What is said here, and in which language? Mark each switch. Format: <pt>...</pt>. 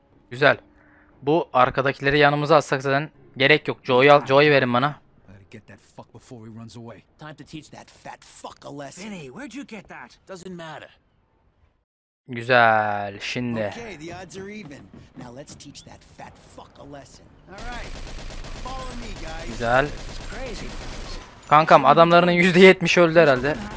<tr>Güzel. Bu arkadakileri yanımıza alsak zaten gerek yok. Joey'i verin bana.</tr> <en>Get that fuck before he runs away. Time to teach that fat fuck a lesson. Vinny, where'd you get that? Doesn't matter.</en> <tr>Güzel, şimdi.</tr> <en>Okay, the odds are even. Now let's teach that fat fuck a lesson. All right. Follow me, guys.</en> <tr>Güzel. Kankam, adamlarının %70'i öldü herhalde.</tr>